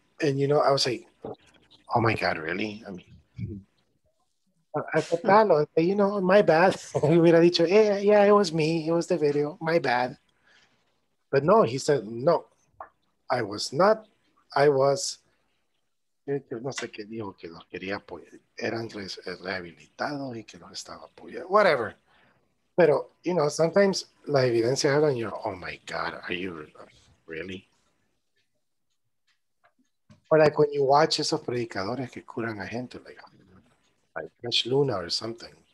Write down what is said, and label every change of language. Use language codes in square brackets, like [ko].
[en] And you know, I was like, oh my God, really? I mean, [es] aceptalo, [en] you know, my bad. [es] He hubiera dicho, [en] yeah, it was me. It was the video. My bad. But no, he said, no, I was not. I was. [es] No sé qué dijo, que los quería apoyar. Eran rehabilitados y que los estaba apoyando. [en] Whatever. [es] Pero, [en] you know, sometimes [es] la evidencia habla, [en] and you're, oh my God, are you really? Or like when you watch [es] esos predicadores que curan a gente, [en] like, Fresh Luna or something.